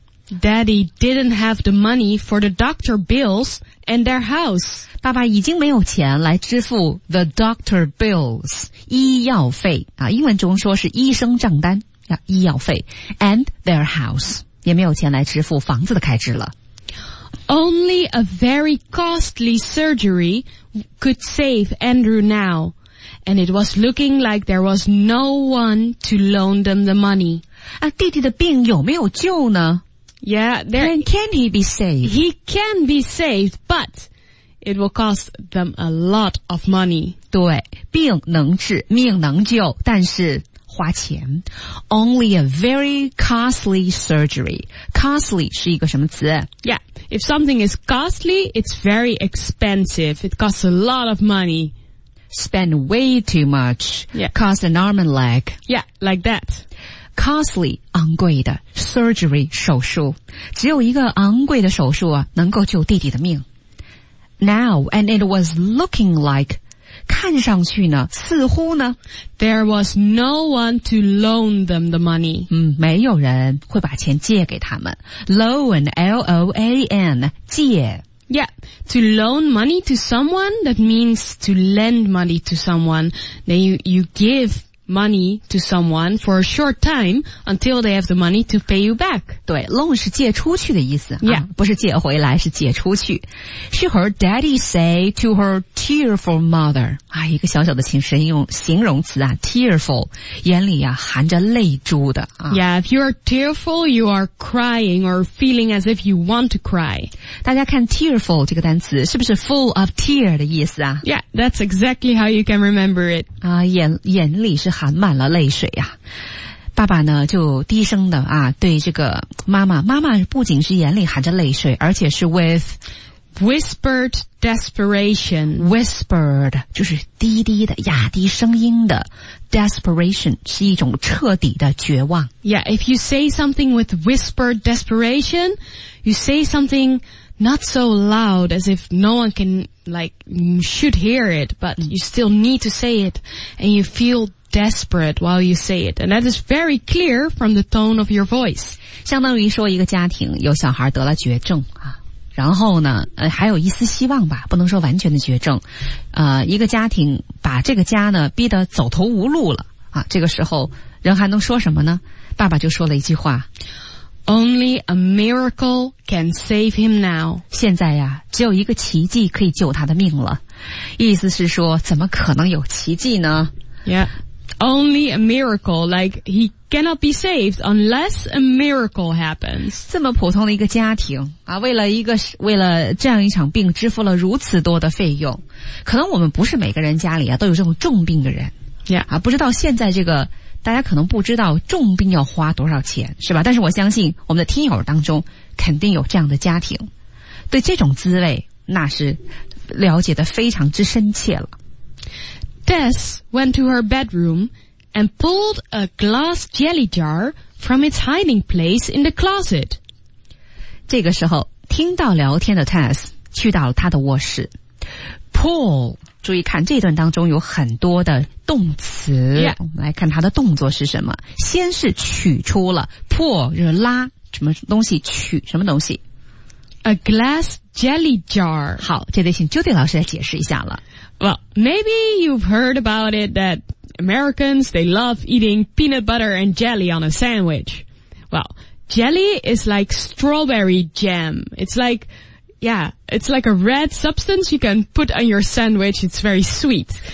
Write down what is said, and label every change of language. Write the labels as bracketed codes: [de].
[en] Daddy didn't have the money for the doctor bills and their house. [zh] 爸爸已经没有钱来支付 [en] the doctor bills, [zh] 医药费啊，英文中说是医生账单，医药费 [en] and their house, [zh] 也没有钱来支付房子的开支了。 [en] Only a very costly surgery could save Andrew now, and it was looking like there was no one to loan them the money. [zh] 啊，弟弟的病有没有救呢？ [en] Yeah, there. Can he be saved? He can be saved, but it will cost them a lot of money. [zh] 对，病能治，命能救，但是花钱。 [en] Only a very costly surgery. [zh] Costly 是一个什么词？ [en] Yeah, if something is costly, it's very expensive. It costs a lot of money. Spend way too much. Yeah. Cost an arm and leg. Yeah, like that. [zh] Costly, 昂贵的 surgery, 手术。只有一个昂贵的手术啊能够救弟弟的命。 [en] Now, and it was looking like, [zh] 看上去呢似乎呢 [en] ,there was no one to loan them the money. [zh] 嗯没有人会把钱借给他们。 Loan, L-O-A-N, 借。 [en] Yeah, to loan money to someone, that means to lend money to someone. Then you give money to someone for a short time until they have the money to pay you back. [zh] 对 ,loan 是借出去的意思。 [en] Yeah. [zh] 不是借回来是借出去。 [en] She heard daddy say to her tearful mother, [zh] 啊一个小小的形容词啊 [en] ,tearful, [zh] 眼里啊含着泪珠的。啊、 [en] yeah, if you are tearful, you are crying or feeling as if you want to cry. [zh] 大家看 tearful 这个单词是不是 [en] full of tear [zh] 的意思啊 [en] ?Yeah, that's exactly how you can remember it. [zh] 啊眼里是含满了泪水啊。爸爸呢就低声的啊对这个妈妈妈妈不仅是眼里含着泪水而且是 with [en] whispered desperation. [zh] Whispered, 就是低低的压低声音的 desperation, 是一种彻底的绝望。 [en] Yeah, if you say something with whispered desperation, you say something not so loud as if no one can, like, should hear it, but you still need to say it, and you feel desperate while you say it, and that is very clear from the tone of your voice. [zh] 相当于说一个家庭有小孩得了绝症啊。然后呢还有一丝希望吧不能说完全的绝症一个家庭把这个家呢逼得走投无路了啊这个时候人还能说什么呢爸爸就说了一句话 [en] Only a miracle can save him now. [zh] 现在呀只有一个奇迹可以救他的命了。意思是说怎么可能有奇迹呢 [en] Yeah, only a miracle, like he cannot be saved unless a miracle happens. [zh] 这么普通的一个家庭啊，为了这样一场病支付了如此多的费用，可能我们不是每个人家里啊都有这种重病的人。 [en] Yeah. [zh] 啊，不知道现在这个大家可能不知道重病要花多少钱，是吧？但是我相信我们的听友当中肯定有这样的家庭，对这种滋味那是了解的非常之深切了。 [en] Tess went to her bedroom and pulled a glass jelly jar from its hiding place in the closet. [zh] 这个时候听到聊天的 Tess 去到了他的卧室。 Pull, 注意看这段当中有很多的动词。 [en] Yeah. [zh] 来看他的动作是什么。先是取出了 pull, 就是拉什么东西取什么东西。 [en] A glass jelly jar. [zh] 好这得请 Judy 老师来解释一下了。 [en] Well, maybe you've heard about it that Americans, they love eating peanut butter and jelly on a sandwich. Well, jelly is like strawberry jam. It's like, yeah, it's like a red substance you can put on your sandwich. It's very sweet.